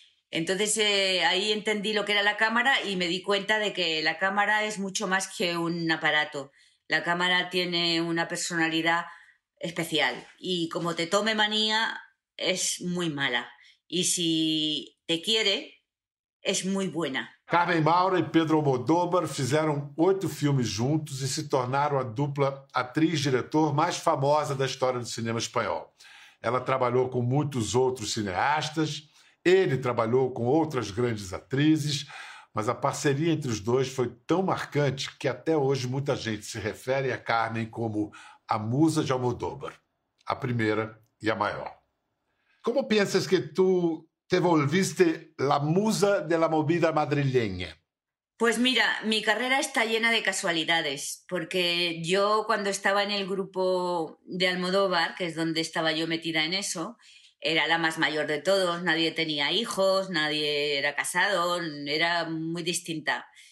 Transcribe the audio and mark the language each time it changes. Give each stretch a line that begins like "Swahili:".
Spanish: Entonces ahí entendí lo que era la cámara y me di cuenta de que la cámara es mucho más que un aparato. La cámara tiene una personalidad especial y como te tome manía, es muy mala. Y si te quiere, es muy buena.
Portuguese: Carmen Maura e Pedro Almodóvar fizeram 8 filmes juntos e se tornaram a dupla atriz-diretor mais famosa da história do cinema espanhol. Ela trabalhou com muitos outros cineastas, ele trabalhou com outras grandes atrizes, mas a parceria entre os dois foi tão marcante que até hoje muita gente se refere a Carmen como a musa de Almodóvar, a primeira e a maior.
Spanish: Como pensas que tu te volviste la musa de la movida madrileña? Pues mira, mi carrera está llena de casualidades, porque yo cuando estaba en el grupo de Almodóvar, que es donde estaba yo metida en eso, era la más mayor de todos, nadie tenía hijos, nadie era casado, era muy distinta.